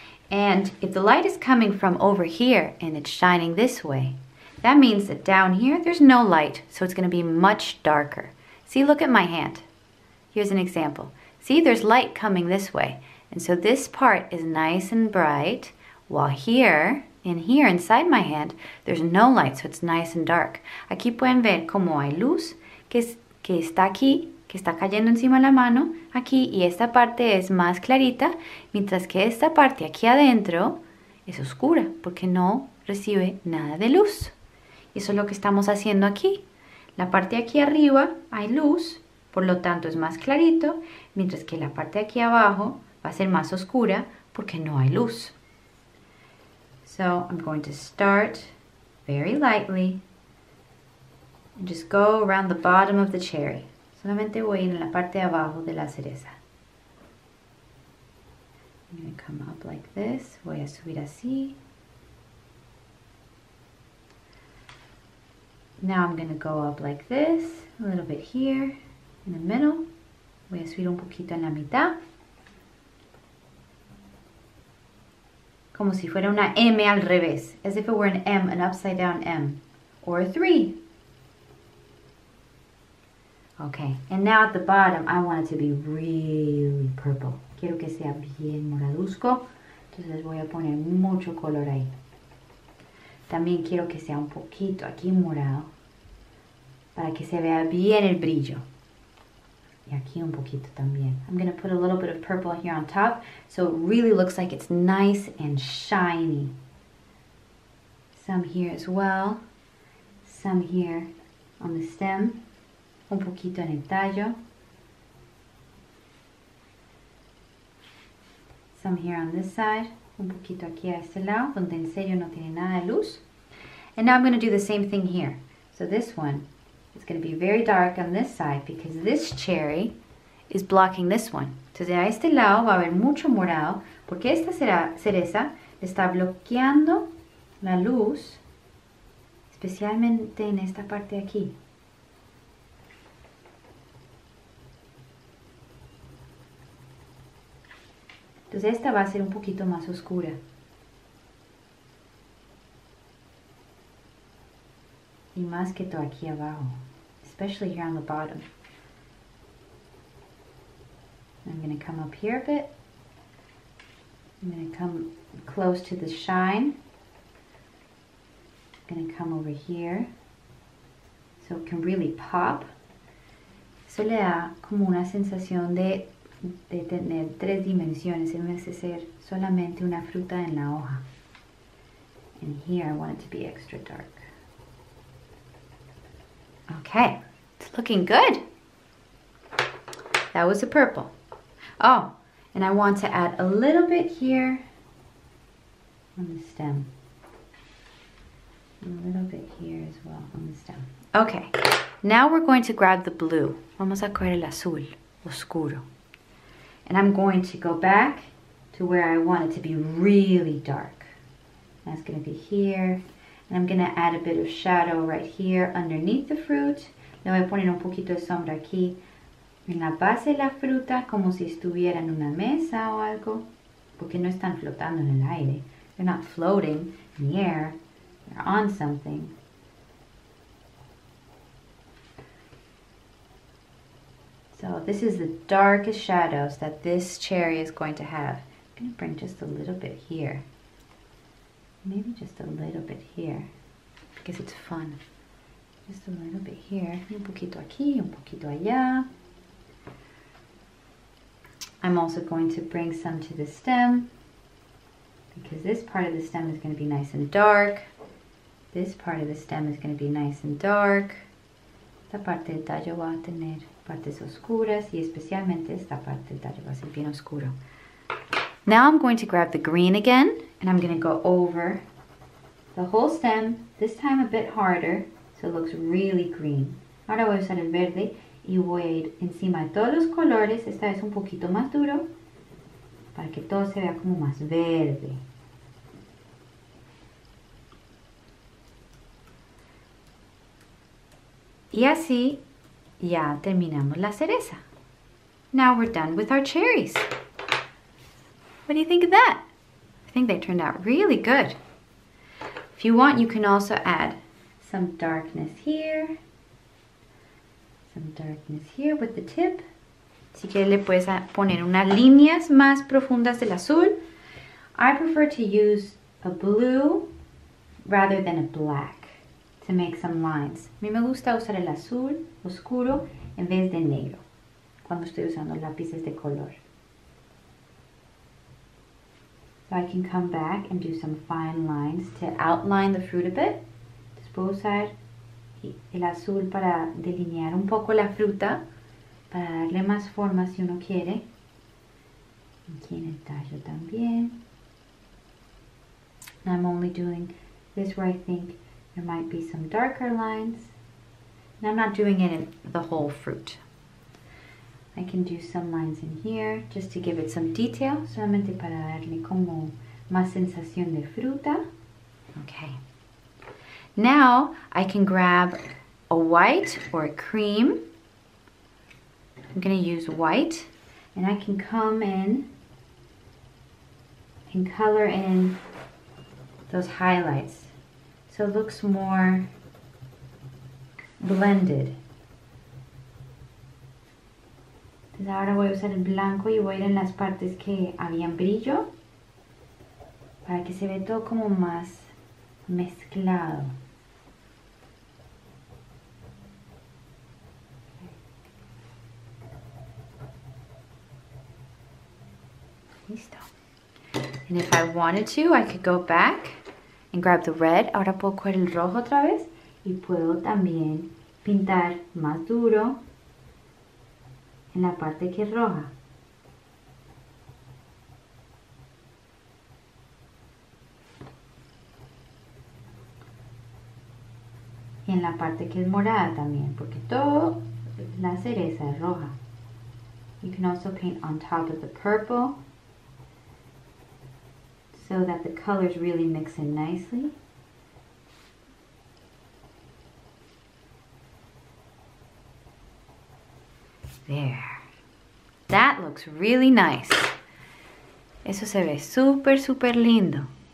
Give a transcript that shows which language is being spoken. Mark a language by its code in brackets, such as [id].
[en] And if the light is coming from over here and it's shining this way, that means that down here there's no light, so it's going to be much darker. See, look at my hand. Here's an example. See, there's light coming this way. And so this part is nice and bright, while here, in here, inside my hand, there's no light, so it's nice and dark. [es] Aquí pueden ver cómo hay luz que está aquí, que está cayendo encima de la mano, aquí, y esta parte es más clarita, mientras que esta parte aquí adentro es oscura, porque no recibe nada de luz. Y eso es lo que estamos haciendo aquí. La parte de aquí arriba hay luz, por lo tanto es más clarito, mientras que la parte de aquí abajo va a ser más oscura, porque no hay luz. [en] So, I'm going to start very lightly, and just go around the bottom of the cherry. [es] Solamente voy en la parte de abajo de la cereza. [en] I'm going to come up like this. [es] Voy a subir así. [en] Now I'm going to go up like this. A little bit here. In the middle. [es] Voy a subir un poquito en la mitad. Como si fuera una M al revés. [en] As if it were an M, an upside down M. Or a 3. Okay, and now at the bottom, I want it to be really purple. [es] Quiero que sea bien moradusco. Entonces voy a poner mucho color ahí. También quiero que sea un poquito aquí morado. Para que se vea bien el brillo. Y aquí un poquito también. [en] I'm going to put a little bit of purple here on top. So it really looks like it's nice and shiny. Some here as well. Some here on the stem. [es] Un poquito en el tallo. [en] Some here on this side. [es] Un poquito aquí a este lado, donde en serio no tiene nada de luz. [en] And now I'm going to do the same thing here. So this one. It's going to be very dark on this side because this cherry is blocking this one. [es] Entonces, a este lado va a haber mucho morado porque esta cereza está bloqueando la luz, especialmente en esta parte de aquí. Entonces, esta va a ser un poquito más oscura. Y más que todo aquí abajo. [en] Especially here on the bottom. I'm going to come up here a bit. I'm going to come close to the shine. I'm going to come over here. So it can really pop. [es] Eso le da como una sensación de tener tres dimensiones en vez de ser solamente una fruta en la hoja. [en] And here I want it to be extra dark. Okay. Looking good. That was a purple. Oh, and I want to add a little bit here on the stem. A little bit here as well on the stem. Okay, now we're going to grab the blue. [es] Vamos a coger el azul oscuro. [en] And I'm going to go back to where I want it to be really dark. That's going to be here. And I'm going to add a bit of shadow right here underneath the fruit. [es] Le voy a poner un poquito de sombra aquí en la base de la fruta, como si estuviera en una mesa o algo. Porque no están flotando en el aire. [en] They're not floating in the air. They're on something. So this is the darkest shadows that this cherry is going to have. I'm going to bring just a little bit here. Maybe just a little bit here. Because it's fun. Just a little bit here, [es] un poquito aquí, un poquito allá. [en] I'm also going to bring some to the stem because this part of the stem is going to be nice and dark. This part of the stem is going to be nice and dark. [es] Esta parte del tallo va a tener partes oscuras y especialmente esta parte del tallo va a ser bien oscuro. [en] Now I'm going to grab the green again and I'm going to go over the whole stem, this time a bit harder. It looks really green. [es] Ahora voy a usar el verde y voy a ir encima de todos los colores. Esta vez un poquito más duro para que todo se vea como más verde. Y así ya terminamos la cereza. [en] Now we're done with our cherries. What do you think of that? I think they turned out really good. If you want, you can also add some darkness here. Some darkness here with the tip. [es] Si quieres le puedes poner unas líneas más profundas del azul. [en] I prefer to use a blue rather than a black to make some lines. [es] A mí me gusta usar el azul oscuro en vez de negro cuando estoy usando lápices de color. [en] So I can come back and do some fine lines to outline the fruit a bit. [es] Puedo usar el azul para delinear un poco la fruta, para darle más forma si uno quiere. Aquí en el tallo también. [en] And I'm only doing this where I think there might be some darker lines. And I'm not doing it in the whole fruit. I can do some lines in here just to give it some detail, [es] solamente para darle como más sensación de fruta. [en] Okay. Now, I can grab a white or a cream. I'm going to use white. And I can come in can color in those highlights so it looks more blended. [es] Entonces ahora voy a usar el blanco y voy a ir en las partes que habían brillo para que se ve todo como más mezclado. Listo. [en] And if I wanted to, I could go back and grab the red. [es] Ahora puedo coger el rojo otra vez y puedo también pintar más duro en la parte que es roja. Y en la parte que es morada también, porque todo la cereza es roja. [en] You can also paint on top of the purple so that the colors really mix in nicely. There. That looks really nice. [es] Eso se ve super, super lindo.